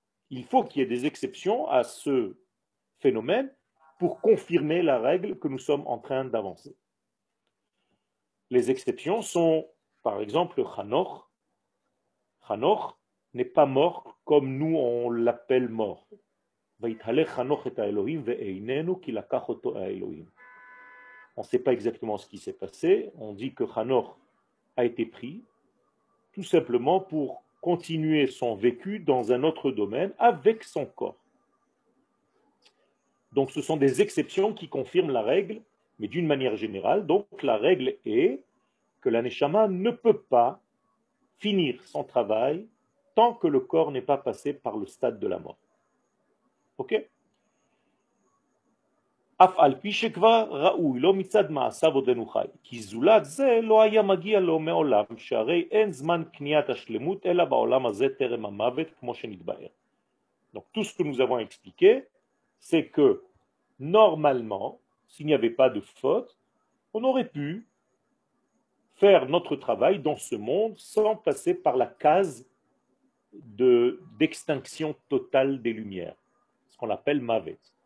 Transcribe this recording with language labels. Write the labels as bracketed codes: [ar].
[fr] Il faut qu'il y ait des exceptions à ce phénomène pour confirmer la règle que nous sommes en train d'avancer. Les exceptions sont par exemple, Hanoch n'est pas mort comme nous on l'appelle mort. [he] ויתהלך חנוך את האלוהים ואיננו כי לקח אותו האלוהים. [fr] On ne sait pas exactement ce qui s'est passé. On dit que Hanoch a été pris tout simplement pour continuer son vécu dans un autre domaine avec son corps. Donc ce sont des exceptions qui confirment la règle, mais d'une manière générale. Donc la règle est que la Neshama ne peut pas finir son travail tant que le corps n'est pas passé par le stade de la mort. OK ? [he] אף על פי שכבר ראוי לא מצד מעשיו עודנו חי, כי זולת זה לא היה מגיע לו מעולם, שהרי אין זמן קניית השלמות אלא בעולם הזה תרם המוות כמו שנתבאר. [fr] Donc tout ce que nous avons expliqué, c'est que normalement, s'il n'y avait pas de faute, on aurait pu faire notre travail dans ce monde sans passer par la case d'extinction totale des lumières, ce qu'on appelle mavet.